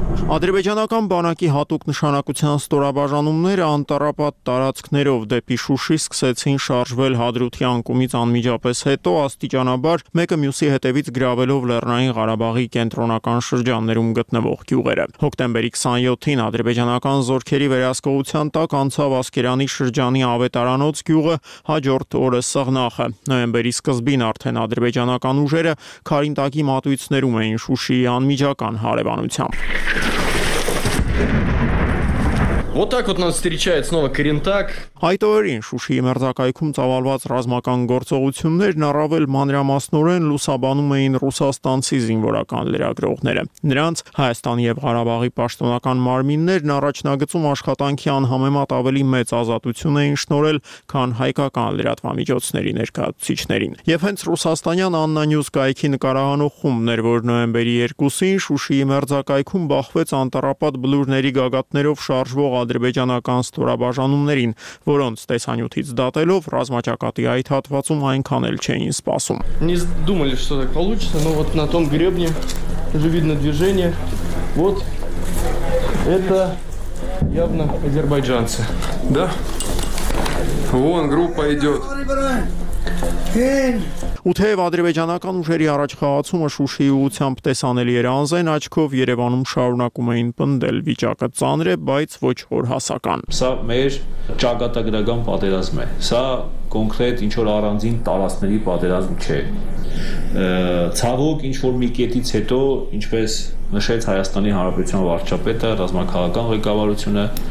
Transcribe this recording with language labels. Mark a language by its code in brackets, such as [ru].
[hy] Ադրբեջանական բանակի հատուկ նշանակության ստորաբաժանումները անտառապատ տարածքներով դեպի Շուշի սկսեցին շարժվել Հադրութի անկումից անմիջապես հետո, աստիճանաբար մեկը մյուսի հետևից գրավելով Լեռնային Ղարաբաղի կենտրոնական շրջաններում գտնվող գյուղերը։ Հոկտեմբերի 27-ին ադրբեջանական զորքերի վերահսկողության տակ անցավ Ասկերանի շրջանի Ավետարանոց գյուղը հաջորդ օրը սղնախը։ Նոյեմբերի սկզբին արդեն ադրբեջանական ուժերը Քարինտակի մատույցներում էին Շուշիի անմիջական հարևանությամբ։ [ru] Вот так вот нас встречает снова Карентак. [hy] Այդ օրերին Շուշիի մերձակայքում ծավալված ռազմական գործողություններն առավել մանրամասնորեն լուսաբանում էին ռուսաստանցի զինվորական լրագրողները։ Նրանց Հայաստանի և Ղարաբաղի պաշտոնական մարմիններն առաջնագծում աշխատանքի անհամեմատ ավելի մեծ ազատություն էին շնորել, քան հայկական լրատվամիջոցների ներկայացուցիչներին։ Եվ հենց ռուսաստանյան Աննա Նյուզ կայքի նկարահանող խումբներ, որ նոյեմբերի 2-ին Շուշիի մերձակայքում բախվեց անտառապատ բլուրների գագաթներով շարժվող ադրբեջանական ստորաբաժանումներին, որոնց տեսանյութից դատելով ռազմաճակատի այդ հատվածում այնքան էլ չէին սպասում։ [ru] Не думали, что так получится, но вот на том гребне уже видно движение. Вот это явно азербайджанцы. Да? Вон группа идёт. [hy] Ու թեև ադրբեջանական ուժերի առաջխաղացումը Շուշիի ուղությամբ տեսանելի էր անզեն աչքով, Երևանում շարունակում էին պնդել վիճակը ծանր է, բայց ոչ օրհասական։ Սա մեր ճակատագրական պատերազմ է, սա կոնկրետ ինչ-որ առանձին տարածքների պատերազմ չէ։ Ցավոք, ինչ որ մի կետից հետո, ինչպես նշեց Հայաստանի Հանրապետության վարչապետը, ռազմաքաղական ղեկավարությունը,